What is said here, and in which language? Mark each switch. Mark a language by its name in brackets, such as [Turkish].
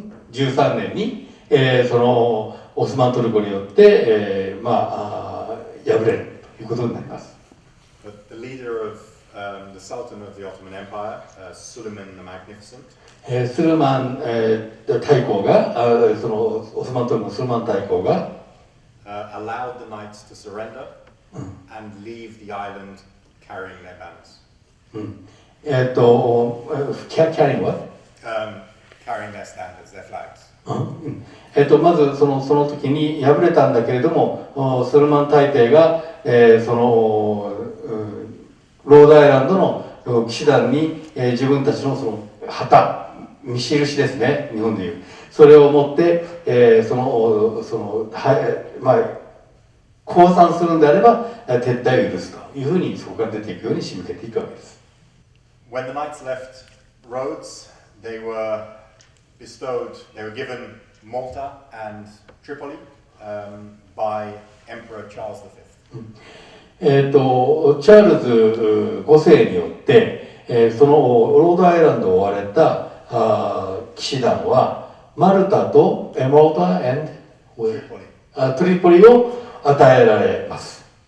[Japanese] 1513年に、そのオスマントルコによって、まあ、敗れるということになります。 [English] But the leader of, the Sultan of the Ottoman Empire, Suleiman the Magnificent, [Japanese] スルマン、大公が、そのオスマントルコのスルマン大公が、 [English] allowed the knights to surrender and leave the island carrying their banners. Carrying what? Carrying their standards, their flags. [Japanese] まずその時に敗れたんだけれども、スルマン大帝が、ロードアイランドの騎士団に、自分たち の, その旗、見印ですね、日本でいう。それを持って、はい、まあ、降参するんであれば、撤退を許すというふうに、そこから出ていくように仕向けていくわけです。 [English] When the knights left Rhodes, they were bestowed, they were given Malta and Tripoli, by Emperor Charles V. [Japanese] チャールズ5世によって、そのロードアイランドを追われた騎士団は、マルタとエモルタ and トリポリを与えられます。